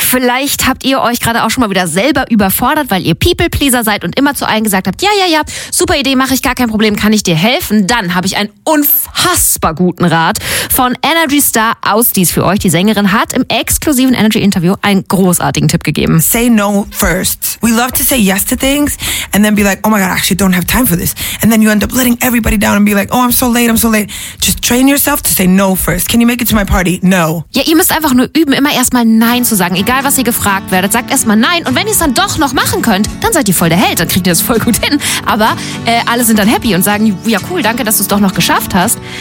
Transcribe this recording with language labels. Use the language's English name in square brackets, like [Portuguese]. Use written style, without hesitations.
[German] Vielleicht habt ihr euch gerade auch schon mal wieder selber überfordert, weil ihr People-Pleaser seid und immer zu allen gesagt habt, ja, super Idee, mache ich, gar kein Problem, kann ich dir helfen? Dann habe ich einen unfassbar guten Rat von Energy Star Austies für euch. Die Sängerin hat im exklusiven Energy-Interview einen großartigen Tipp gegeben. [English] Say no first. We love to say yes to things and then be like, oh my God, I actually don't have time for this. And then you end up letting everybody down and be like, oh, I'm so late. Just train yourself to say no first. Can you make it to my party? No. [German] Ja, ihr müsst einfach nur üben, immer erstmal Nein zu sagen. Egal, was ihr gefragt werdet, sagt erstmal Nein. Und wenn ihr es dann doch noch machen könnt, dann seid ihr voll der Held. Dann kriegt ihr das voll gut hin. Aber alle sind dann happy und sagen, ja cool, danke, dass du es doch noch geschafft hast.